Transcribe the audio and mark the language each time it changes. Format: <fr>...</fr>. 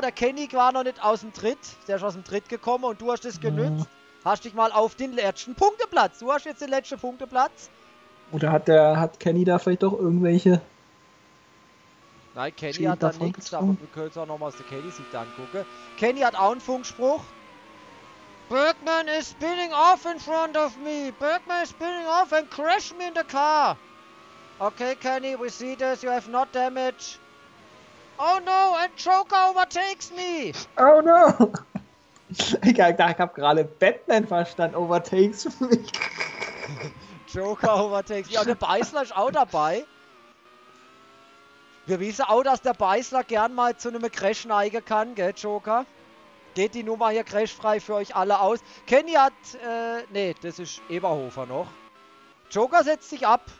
<de>Der Kenny war noch nicht aus dem Tritt. Der ist aus dem Tritt gekommen und du hast es genützt. Hast dich mal auf den letzten Punkteplatz. Du hast jetzt den letzten Punkteplatz. Oder hat Kenny da vielleicht doch irgendwelche. Nein, Kenny hat da nichts, aber wir können es auch nochmal aus der Kenny-Sicht angucken. Kenny hat auch einen Funkspruch.</de> <en>Bergmann is spinning off in front of me. Bergmann is spinning off and crash me in the car. Okay, Kenny, we see this. You have not damage. Oh no, and Joker overtakes me. Oh no.</en> <de>Ich hab gerade Batman verstanden.</de> <en>Overtakes me. Joker overtakes me.</en> <de>Ja, der Beißler ist auch dabei. Wir wissen auch, dass der Beißler gern mal zu einem Crash neigen kann, gell, Joker? Geht die Nummer hier crashfrei für euch alle aus. Kenny hat, das ist Eberhofer noch. Joker setzt sich ab.</de>